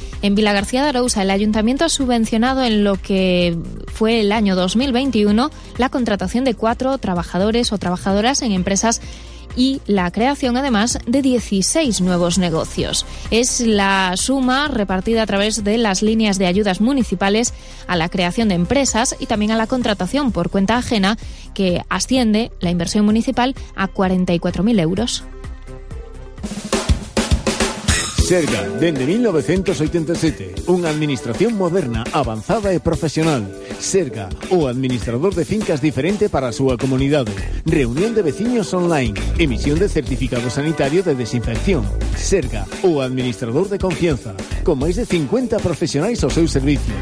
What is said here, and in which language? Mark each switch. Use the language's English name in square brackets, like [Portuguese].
[Spanish] En Vilagarcía de Arousa, el ayuntamiento ha subvencionado en lo que fue el año 2021 la contratación de 4 trabajadores o trabajadoras en empresas y la creación, además, de 16 nuevos negocios. Es la suma repartida a través de las líneas de ayudas municipales a la creación de empresas y también a la contratación por cuenta ajena, que asciende la inversión municipal a 44.000 euros. [Galician] Serga, dende 1987, unha administración moderna, avanzada e profesional. Serga, o administrador de fincas diferente para a súa comunidade. Reunión de veciños online, emisión de certificado sanitario de desinfección. Serga, o administrador de confianza, con máis de 50 profesionais ao seu servicio.